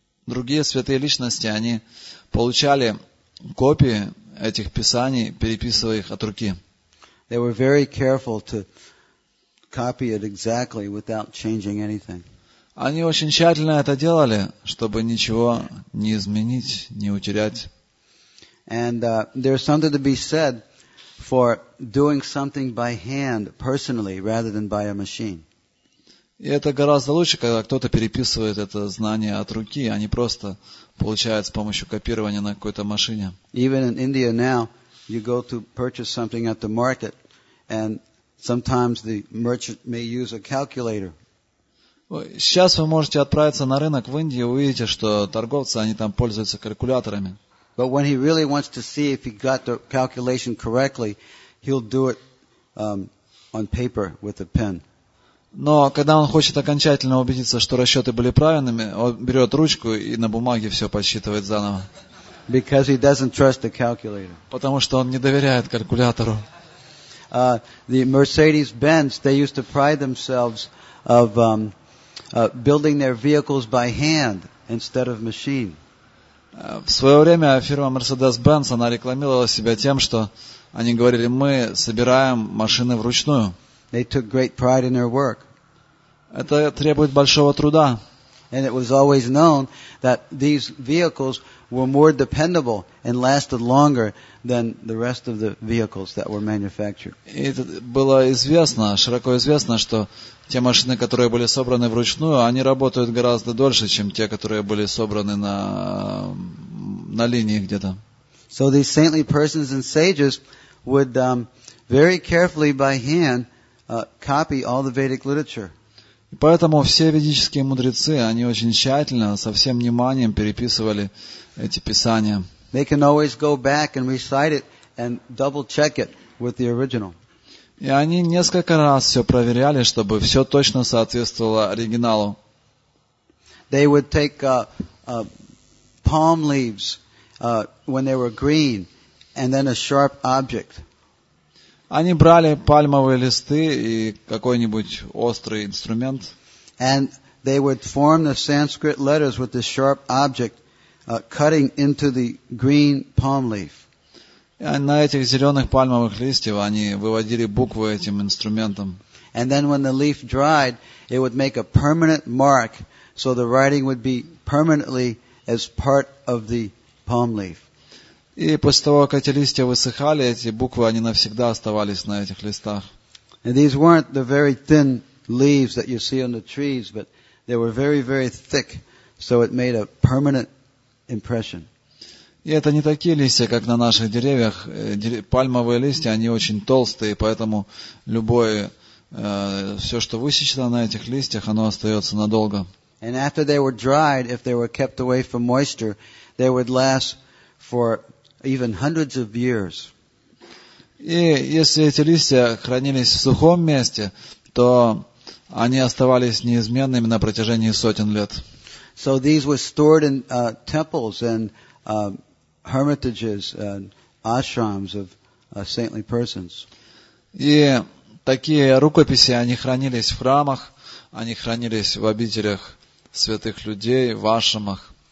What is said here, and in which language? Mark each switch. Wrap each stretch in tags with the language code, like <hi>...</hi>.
<ru>Другие святые личности, они получали копии этих писаний, переписывая их от руки.</ru> <en>They were very careful to copy it exactly without changing anything.</en> <ru>Они очень тщательно это делали, чтобы ничего не изменить, не утерять.</ru> <en>And there's something to be said for doing something by hand personally rather than by a machine.</en> <ru>И это гораздо лучше, когда кто-то переписывает это знание от руки, а не просто получает с помощью копирования на какой-то машине.</ru> <en>Even in India now, you go to purchase something at the market and sometimes the merchant may use a calculator.</en> <ru>Сейчас вы можете отправиться на рынок в Индии и увидите, что торговцы, они там пользуются калькуляторами.</ru> <en>But when he really wants to see if he got the calculation correctly, he'll do it on paper with a pen.</en> <ru>Но когда он хочет окончательно убедиться, что расчеты были правильными, он берет ручку и на бумаге все подсчитывает заново.</ru> <en>Because he doesn't trust the calculator.</en> <ru>Потому что он не доверяет калькулятору.</ru> <en>The Mercedes-Benz, they used to pride themselves of building their vehicles by hand instead of machine.</en> <ru>В свое время фирма Mercedes-Benz, она рекламировала себя тем, что они говорили, мы собираем машины вручную.</ru> <en>They took great pride in their work.</en> <ru>Это требует большого труда.</ru> <en>And it was always known that these vehicles were more dependable and lasted longer than the rest of the vehicles that were manufactured.</en> <ru>Это было известно, широко известно, что те машины, которые были собраны вручную, они работают гораздо дольше, чем те, которые были собраны на линии где-то.</ru> <en>So these saintly persons and sages would very carefully by hand copy all the Vedic literature.</en> <ru>И поэтому все ведические мудрецы, они очень тщательно, со всем вниманием переписывали эти писания.</ru> <en>They can always go back and recite it and double check it with the original.</en> <ru>И они несколько раз все проверяли, чтобы все точно соответствовало оригиналу.</ru> <en>They would take palm leaves when they were green and then a sharp object.</en> <ru>Они брали пальмовые листы и какой-нибудь острый инструмент.</ru> <en>And they would form the Sanskrit letters with this sharp object cutting into the green palm leaf.</en> <ru>И на этих зеленых пальмовых листьях они выводили буквы этим инструментом.</ru> <en>And then when the leaf dried, it would make a permanent mark, so the writing would be permanently as part of the palm leaf.</en> <ru>И после того, как эти листья высыхали, эти буквы, они навсегда оставались на этих листах.</ru> <en>And these weren't the very thin leaves that you see on the trees, but they were very, very thick, so it made a permanent impression.</en> <ru>И это не такие листья, как на наших деревьях. Пальмовые листья, они очень толстые, поэтому любое, все, что высечено на этих листьях, оно остается надолго.</ru> <en>And after they were dried, if they were kept away from moisture, they would last for even hundreds of years.</en> <ru>И если эти листья хранились в сухом месте, то они оставались неизменными на протяжении сотен лет.</ru> <en>So these were stored in temples and hermitages and ashrams of saintly persons.</en> <ru>И такие рукописи, они хранились в храмах, они хранились в обителях святых людей, в ашрамах.</ru>